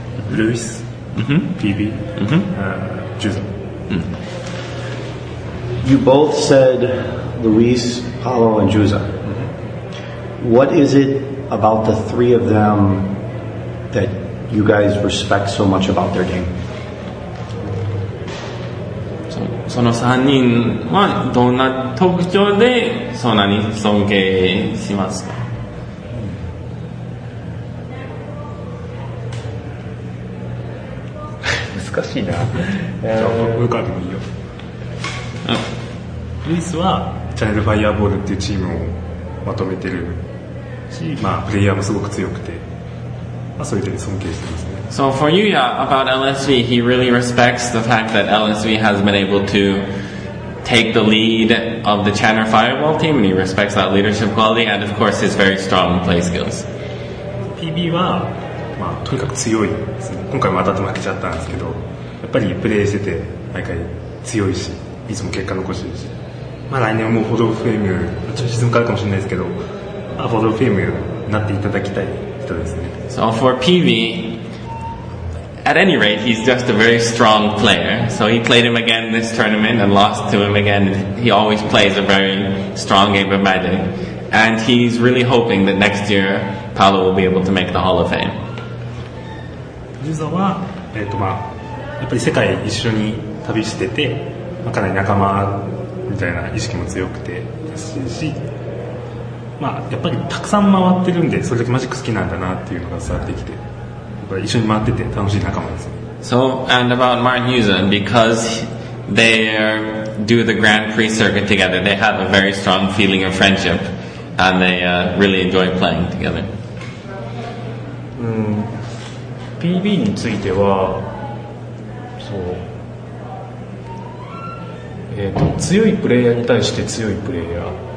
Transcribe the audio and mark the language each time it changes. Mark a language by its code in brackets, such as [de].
[ja] ルイス、PB、ジューザ [en] ー。 You both said Luis, Paolo, and Juza. What is it about the three of them that you guys respect so much about their game? [ja] その3人はどんな特徴でそんなに尊敬しますか？難しいな。ルカでもいいよ。ルイスはチャネルファイアーボールっていうチームをまとめてるし、まあ、プレイヤーもすごく強くて、まあ、そういう点で尊敬してますね。 [en] So for Yuya about LSV, he really respects the fact that LSV has been able to take the lead of the Channer Fireball team, and he respects that leadership quality and of course his very strong play skills. [ja] PB は、まあ、とにかく強いですね。今回も当たって負けちゃったんですけど、やっぱりプレイしてて毎回強いし、いつも結果残してるし、まあ、来年はもうフォードフレーム、ちょっと沈むからかもしれないですけど、まあ、フォードフレームになっていただきたい人ですね。 [en] So for PBAt any rate, he's just a very strong player. So he played him again this tournament and lost to him again. He always plays a very strong game of Magic. And he's really hoping that next year, Paolo will be able to make the Hall of Fame. [ja] Juza は、まあ、やっぱり世界一緒に旅してて、まあ、かなり仲間みたいな意識も強くてですし、まあ、やっぱりたくさん回ってるんで、それだけマジック好きなんだなっていうのが伝わってきて。 [en] So, and about Martin Juza, because they do the Grand Prix circuit together, they have a very strong feeling of friendship and they really enjoy playing together. [ja] PB については、そう、強いプレイヤーに対して強いプレイヤー、